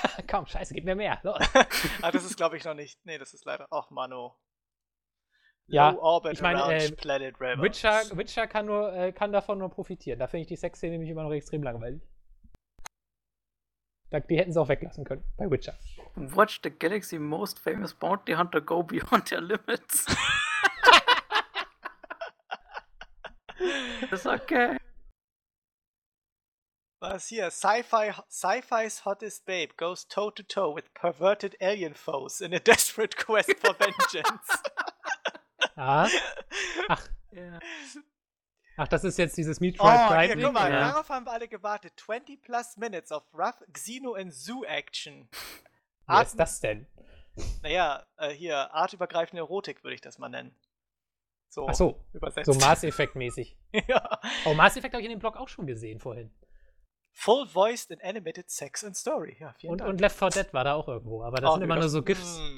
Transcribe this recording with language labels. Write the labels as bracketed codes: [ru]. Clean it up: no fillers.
[de] Komm, scheiße, gib mir mehr. Ah, das ist, glaube ich, noch nicht. Nee, das ist leider... Ach, Mano. Ja, ich meine, Witcher kann nur kann davon nur profitieren. Da finde ich die Sexszene nämlich immer noch extrem langweilig. Die hätten sie auch weglassen können bei Witcher. [en] Watch the galaxy most famous bounty hunter go beyond their limits. [de] Das ist okay. Was hier? [en] Sci-Fi's hottest babe goes toe-to-toe with perverted alien foes in a desperate quest for vengeance. [de] Ach, das ist jetzt dieses Metroid Prime. Guck mal, ja. Darauf haben wir alle gewartet. [en] 20 plus minutes of rough Xeno and Zoo action. [de] Was ist das denn? Naja, hier, artübergreifende Erotik würde ich das mal nennen. So, ach so, übersetzt. So Mass Effect mäßig. Ja. Oh, Mass Effect habe ich in dem Blog auch schon gesehen vorhin. [en] Full voiced and animated sex and story. [de] Ja, vielen und, Dank. Und Left 4 Dead war da auch irgendwo, aber das sind immer nur so GIFs.